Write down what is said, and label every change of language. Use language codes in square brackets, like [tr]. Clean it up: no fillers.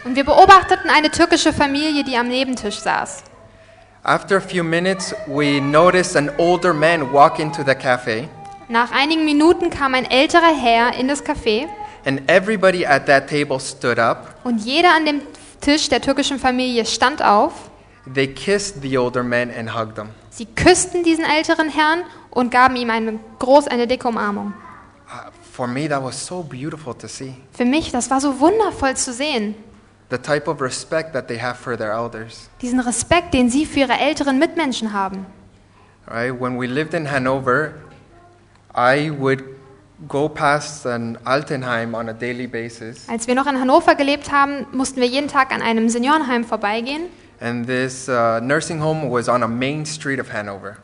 [de] Und wir beobachteten eine türkische Familie, die am Nebentisch saß. [en] After a few minutes, we noticed an older man walk into the cafe. [de] Nach einigen Minuten kam ein älterer Herr in das Café. [en] And everybody at that table stood up. [de] Und jeder an dem Tisch der türkischen Familie stand auf. [en] They kissed the older man and hugged him. [de] Sie küssten diesen älteren Herrn und gaben ihm eine dicke Umarmung. [en] For me, that was so beautiful to see. [de] Für mich, das war so wundervoll zu sehen. [en] The type of respect that they have for their elders. [de] Diesen Respekt, den sie für ihre älteren Mitmenschen haben. [en] Right, when we lived in Hanover, I would go past an Altenheim on a daily basis. [de] Als wir noch in Hannover gelebt haben, mussten wir jeden Tag an einem Seniorenheim vorbeigehen. [en] And this nursing home was on a main street of Hanover.